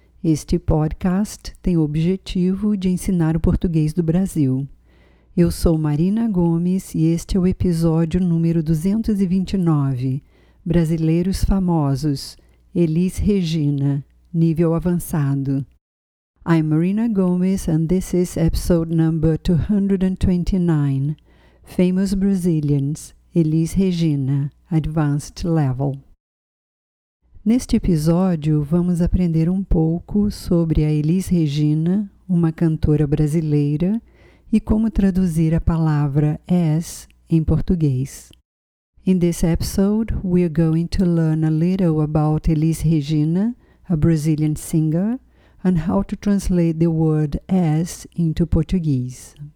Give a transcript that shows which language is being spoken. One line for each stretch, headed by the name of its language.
Portuguese: Este podcast tem o objetivo de ensinar o português do Brasil. Eu sou Marina Gomes e este é o episódio número 229, Brasileiros Famosos, Elis Regina, nível avançado.
English: I'm Marina Gomes and this is episode number 229, Famous Brazilians, Elis Regina, Advanced Level.
Portuguese: Neste episódio, vamos aprender um pouco sobre a Elis Regina, uma cantora brasileira, e como traduzir a palavra as em português.
English: In this episode, we are going to learn a little about Elis Regina, a Brazilian singer, and how to translate the word as into Portuguese.